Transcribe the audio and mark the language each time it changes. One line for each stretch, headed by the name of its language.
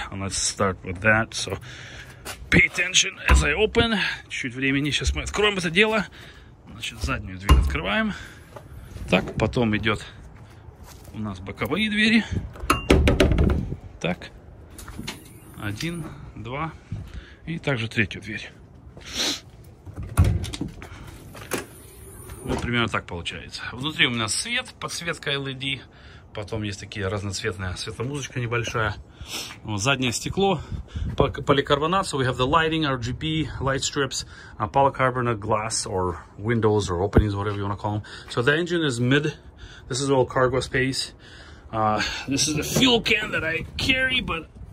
English: And let's start with that. So pay attention as I open.
Russian: Чуть времени, сейчас мы откроем это дело. Значит, заднюю дверь открываем. Так, потом идет у нас боковые двери. Так, один, два, и также третью дверь. Вот примерно так получается. Внутри у меня свет, подсветка LED. Потом есть такие разноцветные, светомузычка небольшая. Вот заднее стекло, поликарбонат.
English: So we have the lighting, RGB, light strips, polycarbonate glass, or windows, or openings, whatever you want to call them. So the engine is mid. This is all cargo space. This is the fuel can that I carry, but...